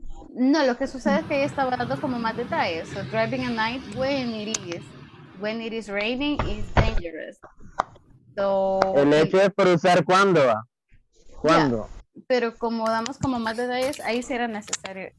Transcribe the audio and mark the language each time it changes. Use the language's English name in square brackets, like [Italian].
[Spanish] No, lo que sucede es que ella estaba dando como más detalles. [English] So driving at night when it is raining is dangerous. So, [Spanish] el hecho es por usar cuando. Cuando. [English] Yeah. [Spanish] Pero como damos como más detalles, ahí será necesario.